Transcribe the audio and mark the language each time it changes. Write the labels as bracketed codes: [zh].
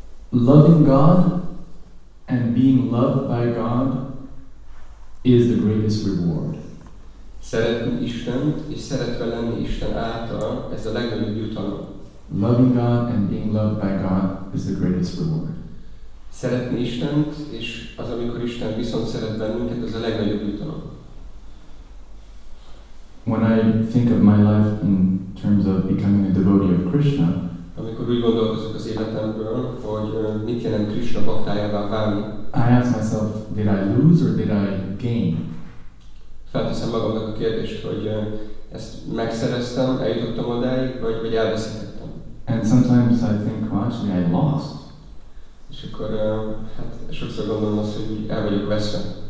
[en] Loving God and being loved by God is the greatest reward. [hu] Szeretni Istent és szeretve lenni Isten által, ez a legnagyobb jutalom. [en] Loving God and being loved by God is the greatest reward. [hu] Szeretni Istent és az, amikor Isten viszont szeret bennünket, ez a legnagyobb jutalom. [en] When I think of my life in terms of becoming a devotee of Krishna, [hu] amikor úgy gondolkozok az életemről, hogy mit jelent Krishna baktájává válni, [en] I ask myself, did I lose or did I gain? [hu] Felteszem magamnak a kérdést, hogy ezt megszereztem, eljutottam odáig, vagy elveszítettem. [en] And sometimes I think, well, actually I lost. [hu] És akkor hát sokszor gondolom azt, hogy el vagyok veszve.